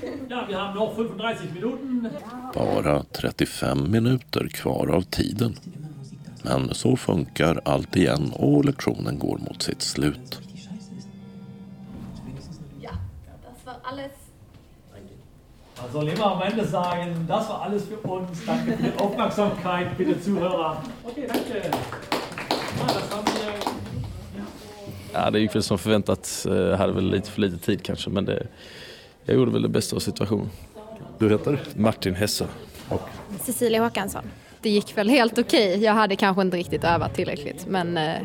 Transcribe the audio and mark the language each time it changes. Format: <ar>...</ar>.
<sv>Ja, vi har nog 35 minuter. Bara 35 minuter kvar av tiden. Men så funkar allt igen och lektionen går mot sitt slut.</sv> <de>Ja, das war alles. Also, lieber am Ende sagen, das war alles für uns. Danke für die Aufmerksamkeit, bitte Zuhörer.</de> <sv>Okej,</sv> <de>danke.</de> <sv>Ja, det gick väl som förväntat. Jag hade väl lite för lite tid kanske, men det, jag gjorde väl det bästa av situationen. Du heter? Martin Hesse. Och? Cecilia Håkansson. Det gick väl helt okej. Jag hade kanske inte riktigt övat tillräckligt, men</sv>